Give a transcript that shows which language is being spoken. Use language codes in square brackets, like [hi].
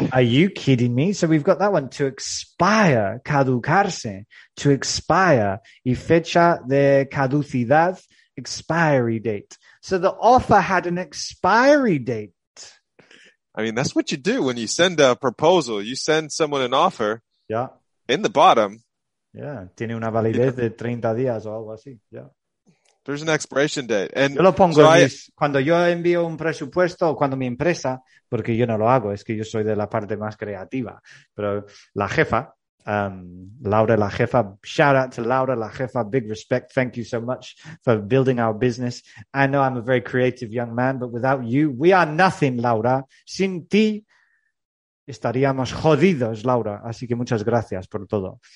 [en] Are you kidding me? So we've got that one. To expire, caducarse. To expire. [es] Y fecha de caducidad. [en] Expiry date. So the offer had an expiry date. I mean, that's what you do when you send a proposal. You send someone an offer. Yeah. In the bottom. Yeah. [es] Tiene una validez de 30 días o algo así. [en] Yeah. There's an expiration date. And [es] yo lo pongo, so Luis, cuando yo envío un presupuesto o cuando mi empresa, porque yo no lo hago, es que yo soy de la parte más creativa. Pero la jefa, Laura la jefa, [en] shout out to Laura la jefa, big respect, thank you so much for building our business. I know I'm a very creative young man, but without you we are nothing, Laura. [es] Sin ti estaríamos jodidos, Laura, así que muchas gracias por todo.